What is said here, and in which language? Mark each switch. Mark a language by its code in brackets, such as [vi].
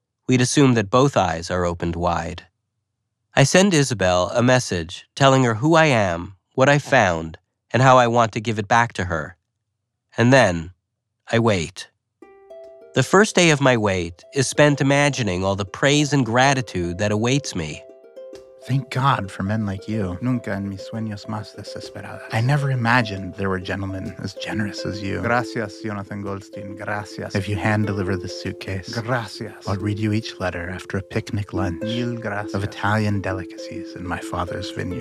[en] We'd assume that both eyes are opened wide. I send Isabel a message telling her who I am, what I found, and how I want to give it back to her. And then, I wait. The first day of my wait is spent imagining all the praise and gratitude that awaits me. Thank God for men like you. [es] Nunca en mis sueños más desesperada. [en] I never imagined there were gentlemen as generous as you. [es] Gracias, Jonathan Goldstein. Gracias. [en] If you hand deliver this suitcase. [es] Gracias. [en] I'll read you each letter after a picnic lunch. [es] Mil gracias. [en] Of Italian delicacies in my father's vineyard.